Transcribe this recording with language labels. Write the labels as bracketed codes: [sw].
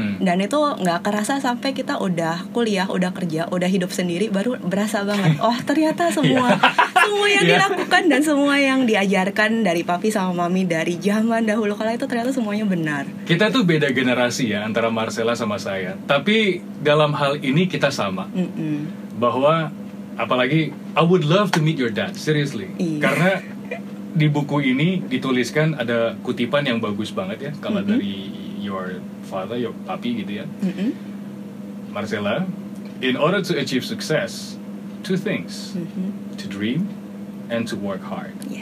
[id] Dan itu gak kerasa sampai kita udah kuliah, udah kerja, udah hidup sendiri, baru berasa banget, oh ternyata semua semua yang dilakukan dan semua yang diajarkan dari papi sama mami dari zaman dahulu kala itu ternyata semuanya benar. Kita tuh beda generasi ya antara Marcella sama saya, tapi dalam hal ini kita sama. Bahwa apalagi [en] I would love to meet your dad, seriously. [id] Karena di buku ini dituliskan ada kutipan yang bagus banget ya, kalau dari [en] your father, your [id] papi gitu ya. [en] Marcella, in order to achieve success, two things, to dream and to work hard.